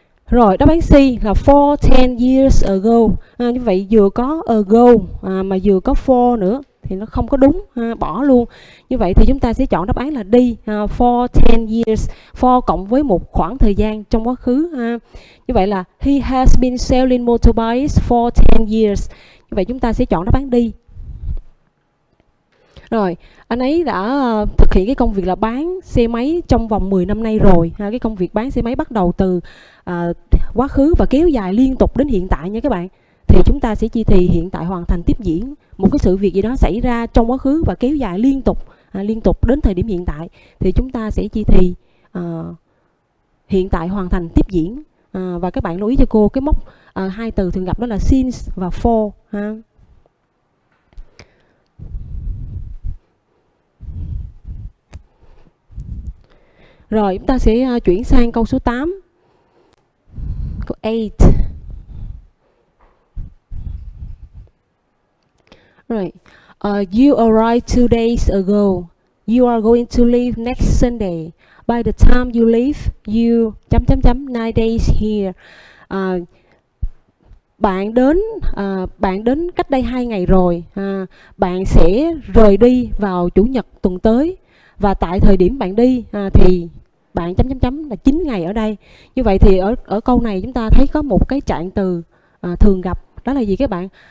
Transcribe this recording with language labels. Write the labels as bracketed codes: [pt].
[vi] Rồi đáp án C là [en] for 10 years ago. [vi] Như vậy vừa có ago mà vừa có for nữa thì nó không có đúng, bỏ luôn. Như vậy thì chúng ta sẽ chọn đáp án là D, [en] for 10 years, [vi] for cộng với một khoảng thời gian trong quá khứ. Như vậy là [en] he has been selling motorbikes for 10 years. [vi] Như vậy chúng ta sẽ chọn đáp án D. Rồi, anh ấy đã thực hiện cái công việc là bán xe máy trong vòng 10 năm nay rồi. Cái công việc bán xe máy bắt đầu từ quá khứ và kéo dài liên tục đến hiện tại nha các bạn. Thì chúng ta sẽ chi thì hiện tại hoàn thành tiếp diễn. Một cái sự việc gì đó xảy ra trong quá khứ và kéo dài liên tục đến thời điểm hiện tại. Thì chúng ta sẽ chi thì hiện tại hoàn thành tiếp diễn. Và các bạn lưu ý cho cô cái mốc hai từ thường gặp đó là since và for ha. Rồi chúng ta sẽ chuyển sang câu số 8. Câu 8. [en] Right. You arrived 2 days ago. You are going to leave next Sunday. By the time you leave, you ...9 days here. [vi] Bạn đến cách đây 2 ngày rồi. Bạn sẽ rời đi vào chủ nhật tuần tới. Và tại thời điểm bạn đi thì bạn ...... là 9 ngày ở đây. Như vậy thì ở câu này chúng ta thấy có một cái trạng từ thường gặp, đó là gì các bạn?